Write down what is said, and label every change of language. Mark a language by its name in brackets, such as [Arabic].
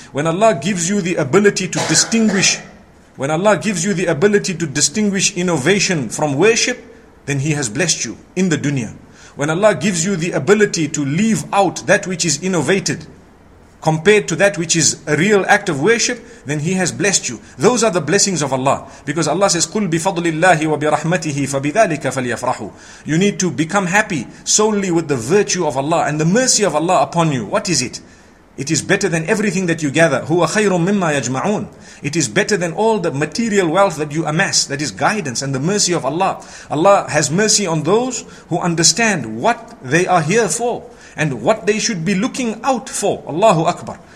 [English] When Allah gives you the ability to distinguish, when Allah gives you the ability to distinguish innovation from worship, then He has blessed you in the dunya. When Allah gives you the ability to leave out that which is innovated compared to that which is a real act of worship, then He has blessed you. Those are the blessings of Allah. Because Allah says, [Arabic] قُلْ بِفَضْلِ اللَّهِ وَبِرَحْمَتِهِ فَبِذَلِكَ فَلْيَفْرَحُ. [English] You need to become happy solely with the virtue of Allah and the mercy of Allah upon you. What is it? It is better than everything that you gather. [Arabic] هُوَ خَيْرٌ مِمَّا يَجْمَعُونَ. [English] It is better than all the material wealth that you amass. That is guidance and the mercy of Allah. Allah has mercy on those who understand what they are here for and what they should be looking out for. Allahu Akbar.